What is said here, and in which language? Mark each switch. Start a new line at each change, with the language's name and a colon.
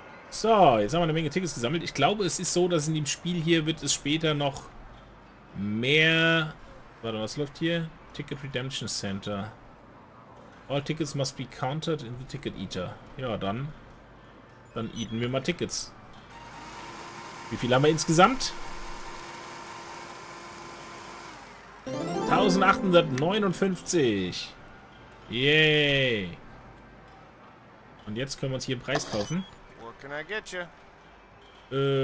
German: So, jetzt haben wir eine Menge Tickets gesammelt. Ich glaube, es ist so, dass in dem Spiel hier wird es später noch mehr... Warte, was läuft hier? Ticket Redemption Center.
English: All Tickets must be counted in the Ticket Eater.
German: Ja, dann... Dann eaten wir mal Tickets. Wie viel haben wir insgesamt? 1859. Yay. Und jetzt können wir uns hier einen Preis kaufen.
English: What can I get you?